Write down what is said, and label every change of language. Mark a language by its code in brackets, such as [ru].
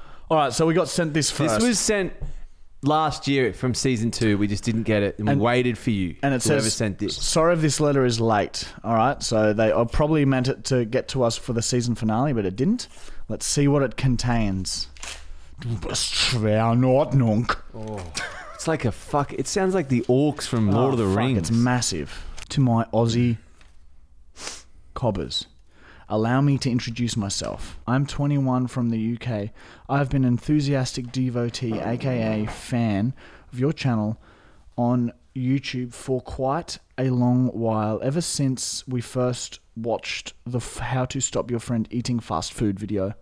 [en] Alright, so we got sent this first. This was sent last year from season 2. We just didn't get it, and we waited for you. And it whoever says sent this. Sorry if this letter is late. Alright, so they probably meant it to get to us for the season finale, but it didn't. Let's see what it contains. [de] Du bist schwer in Ordnung. [en] Oh. It's like a fuck. It sounds like the orcs from Lord of the Rings. It's massive. To my Aussie cobbers, allow me to introduce myself. I'm 21 from the UK. I've been an enthusiastic devotee, aka fan, of your channel on YouTube for quite a long while, ever since we first watched the How to Stop Your Friend Eating Fast Food video.